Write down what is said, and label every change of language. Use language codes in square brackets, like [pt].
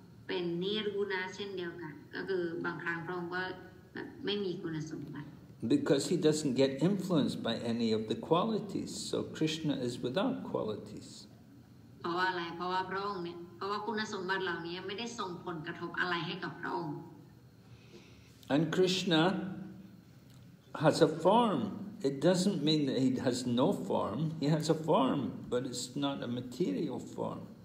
[th] เป็นนิรุณาเช่นเดียวกันก็คือบางครั้งพระองค์ก็แบบไม่มีคุณสมบัติ [en] because he doesn't get influenced by any of the qualities so Krishna is without qualities [th] เพราะว่าอะไรเพราะว่าพระองค์เนี่ยเพราะว่าคุณสมบัติเหล่านี้ไม่ได้ส่งผลกระทบอะไรให้กับพระองค์ [en] and Krishna has a form it doesn't mean that he has no form he has a form but it's not a material form